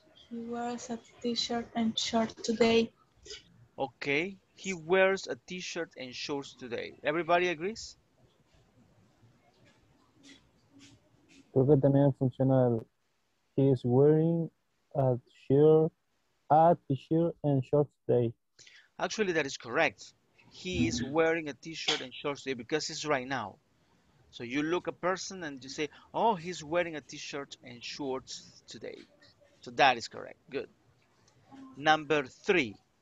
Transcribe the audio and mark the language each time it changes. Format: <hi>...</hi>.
<en>He wears a t-shirt and shorts today. Okay. He wears a t-shirt and shorts today. Everybody agrees?</en> <es>Creo que también funciona el</es> <en>he is wearing a t-shirt and shorts today. Actually, that is correct. He is wearing a t-shirt and shorts today because it's right now. So you look a person and you say, oh, he's wearing a t-shirt and shorts today. So that is correct. Good. Number three.</en>